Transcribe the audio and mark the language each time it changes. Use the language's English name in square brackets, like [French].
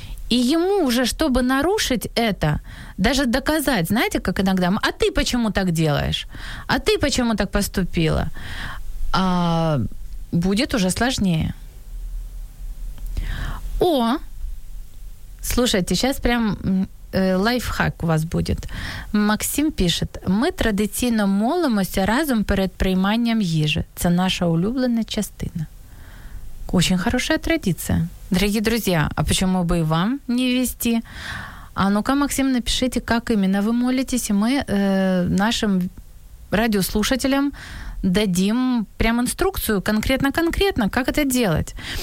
[Russian] И ему уже, чтобы нарушить это, даже доказать, знаете, как иногда, а ты почему так делаешь? А ты почему так поступила? А будет уже сложнее. О! Слушайте, сейчас прям лайфхак у вас будет. Максим пишет: [Ukrainian] «Ми традиційно молимося разом перед прийманням їжі. Це наша улюблена частина». [Russian] Очень хорошая традиция. Дорогие друзья, а почему бы и вам не вести? А ну-ка, Максим, напишите, как именно вы молитесь, и мы нашим радиослушателям дадим прям инструкцию конкретно-конкретно, как это делать.